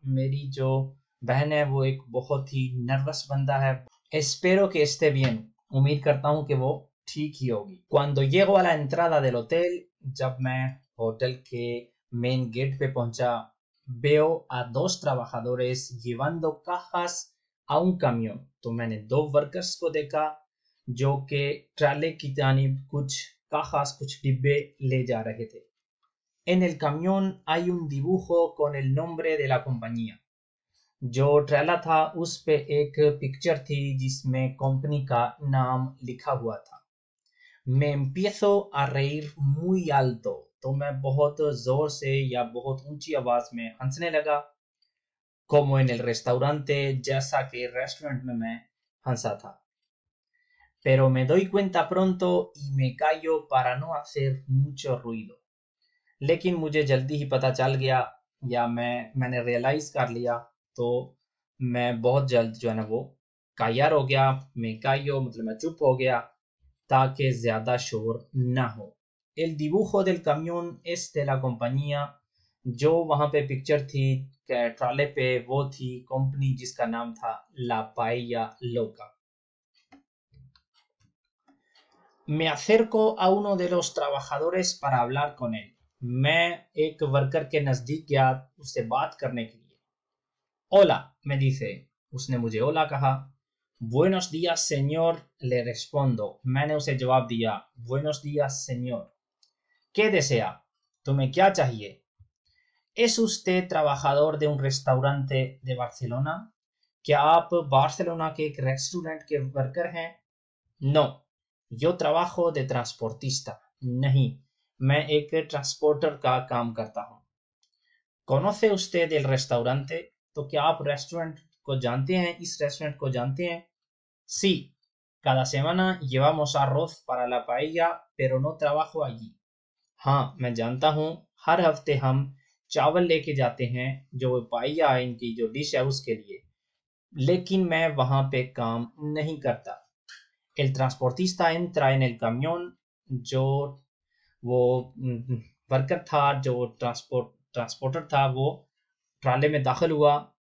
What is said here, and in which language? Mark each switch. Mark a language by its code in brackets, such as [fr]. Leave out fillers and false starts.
[hi] Meri jo behan hai, wo ek bahut hi nervous banda hai. [es] Espero que esté bien. [hi] Umeed karta hu ki wo ठीक ही होगी। [es] Cuando llego a la entrada del hotel, [hi] जब मैं hotel के main gate पे पहुंचा, [es] veo a dos trabajadores llevando cajas a un camión. [hi] तो मैंने दो वर्कर्स को देखा जो के ट्राले की जानी कुछ कहास कुछ डिब्बे ले जा रहे थे। [es] En el camión hay un dibujo con el nombre de la compañía. [hi] जो ट्रेला था उस पे एक पिक्चर थी जिसमें कंपनी का नाम लिखा हुआ था। [es] Me empiezo a reír muy alto. [hi] तो मैं बहुत जोर से या बहुत ऊंची आवाज में हंसने लगा। [es] Como en el restaurante, [hi] जैसा कि रेस्टोरेंट में मैं हंसा था। [es] Pero me doy cuenta pronto y me callo para no hacer mucho ruido. [hi] लेकिन मुझे जल्दी ही पता चल गया या मैंने रियलाइज कर लिया, तो मैं बहुत जल्द जो है ना वो कायर हो गया। मैं कायो मतलब मैं चुप हो गया ताकि ज्यादा शोर ना हो। [es] El dibujo del camión es de la compañía, [hi] जो वहां पे पिक्चर थी ट्रॉले पे वो थी कंपनी जिसका नाम था ला पाइया लोका। [es] Me acerco a uno de los trabajadores para hablar con él. [hi] मैं एक वर्कर के नजदीक गया उससे बात करने के लिए। [es] Hola, me dice, [hi] उसने मुझे hola कहा। [es] Buenos días, señor, le respondo. [hi] मैंने उसे जवाब दिया, [es] Buenos días, señor. ¿Qué desea? ¿Tú me qué [hi] चाहिए? [es] ¿Es usted trabajador de un restaurante de Barcelona? [hi] ¿Que आप बार्सिलोना के एक रेस्टोरेंट के वर्कर हैं? [es] No, yo trabajo de transportista. [hi] नहीं, मैं एक ट्रांसपोर्टर का काम करता हूँ। [es] ¿Conoce usted el restaurante? [hi] ¿तो क्या आप रेस्टोरेंट को जानते हैं, इस रेस्टोरेंट को जानते हैं? [es] सी कादा सेमाना llevamos arroz para la paella, pero no trabajo allí. [hi] हाँ, मैं जानता हूँ, हर हफ्ते हम चावल लेके जाते हैं जो पाइया है इनकी जो डिश है उसके लिए, लेकिन मैं वहां पे काम नहीं करता। [es] El transportista entra en el camión, [hi] जो वो वर्कर था जो ट्रांसपोर्टर था वो ट्राले में दाखिल हुआ।